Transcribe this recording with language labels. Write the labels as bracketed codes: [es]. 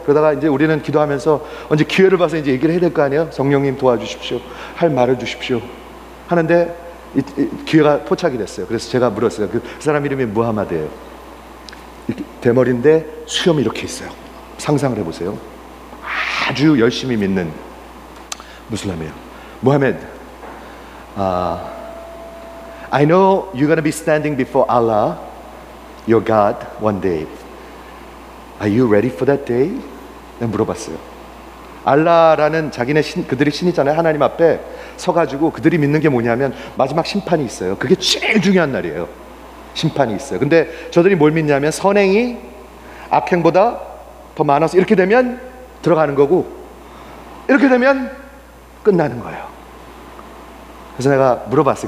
[ko] 그러다가 이제 우리는 기도하면서 언제 기회를 봐서 이제 얘기를 해야 될 거 아니에요. 성령님 도와주십시오. 할 말을 주십시오. 하는데 기회가 포착이 됐어요. 그래서 제가 물었어요. 그 사람 이름이 무하마드예요. 대머리인데 수염이 이렇게 있어요. 상상을 해보세요. 아주 열심히 믿는 무슬람이에요. [en] 무하마드, I know you're going to be standing before Allah, your God, one day. Are you ready for that day? [ko] 내가 물어봤어요. 알라라는 자기네 신, 그들이 신이잖아요. 하나님 앞에 서가지고 그들이 믿는 게 뭐냐면 마지막 심판이 있어요. 그게 제일 중요한 날이에요. 심판이 있어요. 근데 저들이 뭘 믿냐면 선행이 악행보다 더 많아서 이렇게 되면 들어가는 거고 이렇게 되면 끝나는 거예요. 그래서 내가 물어봤어요.